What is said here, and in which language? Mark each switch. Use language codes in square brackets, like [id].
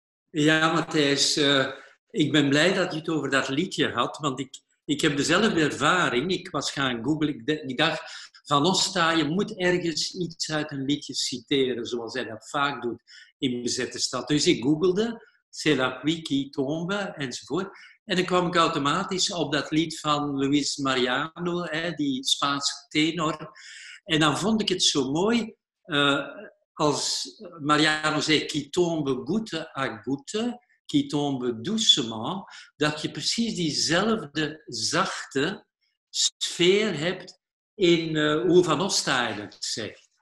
[nl] Ja, Matthijs, ik ben blij dat je het over dat liedje had, want ik heb dezelfde ervaring. Ik was gaan googlen, ik dacht, Van Osta, je moet ergens iets uit een liedje citeren, zoals hij dat vaak doet in bezette stad. Dus ik googelde, [fr] C'est la pluie qui tombe, [nl] enzovoort. En dan kwam ik automatisch op dat lied van Luis Mariano, hè, die Spaanse tenor. En dan vond ik het zo mooi, als Mariano zei, [fr] qui tombe goutte à goutte, qui tombe doucement, [nl] dat je precies diezelfde zachte sfeer hebt in hoe Van Osta het zegt.